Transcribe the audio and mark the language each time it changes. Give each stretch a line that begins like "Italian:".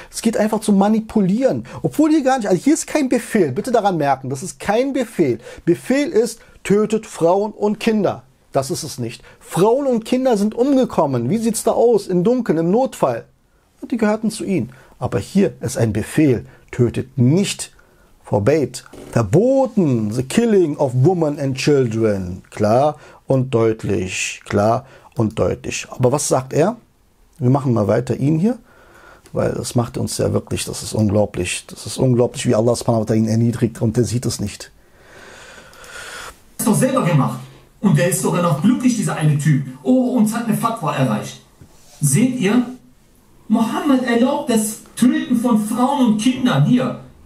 German: Es geht einfach zum Manipulieren. Obwohl hier gar nicht, also hier ist kein Befehl. Bitte daran merken, das ist kein Befehl. Befehl ist, tötet Frauen und Kinder. Das ist es nicht. Frauen und Kinder sind umgekommen. Wie sieht es da aus? Im Dunkeln, im Notfall. Die gehörten zu ihnen. Aber hier ist ein Befehl. Tötet nicht. Forbade. Verboten.
English: The killing of women and children.
German: Klar und deutlich. Klar und deutlich. Aber was sagt er? Wir machen mal weiter ihn hier. Weil das macht uns ja wirklich, das ist unglaublich. Das ist unglaublich, wie Allah subhanahu wa ta'ala ihn erniedrigt und der sieht es nicht. Er ist doch selber gemacht. Und der ist sogar noch glücklich, dieser eine Typ. Oh, uns hat eine Fatwa erreicht. Seht ihr? Mohammed erlaubt das Töten von Frauen und Kindern hier.